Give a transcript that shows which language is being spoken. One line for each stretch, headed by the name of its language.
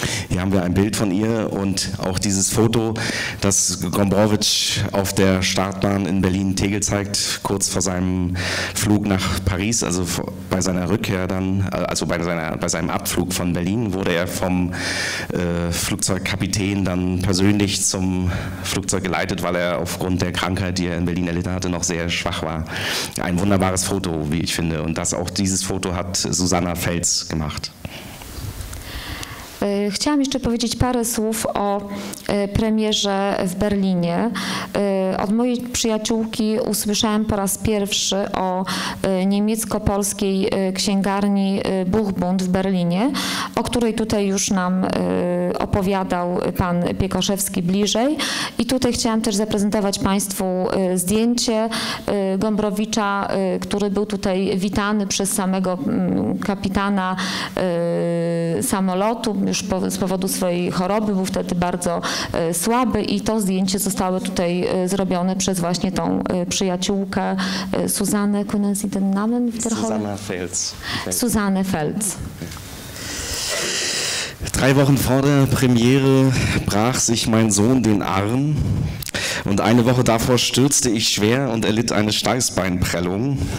German: Hier haben wir ein Bild von ihr und auch dieses Foto, das Gombrowicz auf der Startbahn in Berlin-Tegel zeigt, kurz vor seinem Flug nach Paris, also bei seiner Rückkehr dann, also bei seinem Abflug von Berlin, wurde er vom Flugzeugkapitän dann persönlich zum Flugzeug geleitet, weil er aufgrund der Krankheit, die er in Berlin erlitten hatte, noch sehr schwach war. Ein wunderbares Foto, wie ich finde. Und das auch dieses Foto hat Susanna Fels gemacht.
Polish: Chciałam jeszcze powiedzieć parę słów o premierze w Berlinie. Od mojej przyjaciółki usłyszałam po raz pierwszy o niemiecko-polskiej księgarni Buchbund w Berlinie, o której tutaj już nam opowiadał pan Piekoszewski bliżej. I tutaj chciałam też zaprezentować państwu zdjęcie Gombrowicza, który był tutaj witany przez samego kapitana samolotu. Już z powodu swojej choroby był wtedy bardzo słaby i to zdjęcie zostało tutaj zrobione przez właśnie tą przyjaciółkę Susanne,
German: können Sie den Namen wiederholen? Susanna Fels. Susanne Fels. Drei Wochen vor der Premiere brach sich mein Sohn den Arm und eine Woche davor stürzte ich schwer und erlitt eine Steißbeinprellung.